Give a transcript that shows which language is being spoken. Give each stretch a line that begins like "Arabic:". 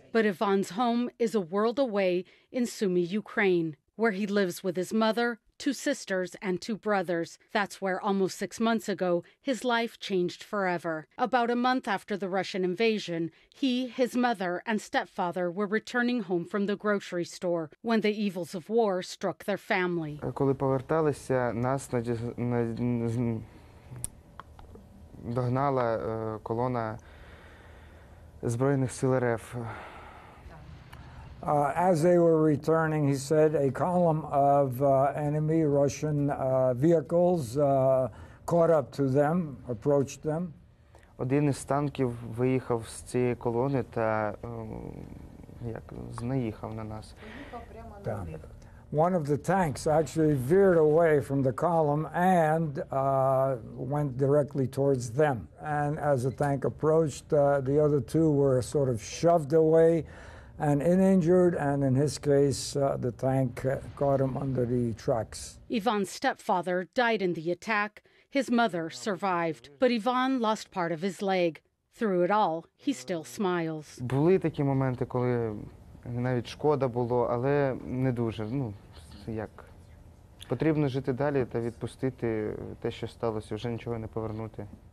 English: But Ivan's home is a world away in Sumy, Ukraine, where he lives with his mother, two sisters, and two brothers. That's where almost 6 months ago, his life changed forever. About a month after the Russian invasion, he, his mother, and stepfather were returning home from the grocery store when the evils of war struck their family.
Ukrainian: Коли поверталися, нас догнала колона збройних сил РФ.
English: As they were returning, he said, a column of enemy Russian vehicles caught up to them, approached them.
Ukrainian: Один із танків виїхав з цієї колони та наїхав на нас.
English: One of the tanks actually veered away from the column and went directly towards them. And as the tank approached, the other two were sort of shoved away and uninjured, and in his case, the tank caught him under the tracks. Ivan's stepfather died in the attack. His mother survived, but Ivan lost part of his leg. Through it all, he still smiles.
Ukrainian: Були такі моменти, коли навіть шкода було, але не дуже. Ну, як? Потрібно жити далі та відпустити те, що сталося, вже нічого не повернути.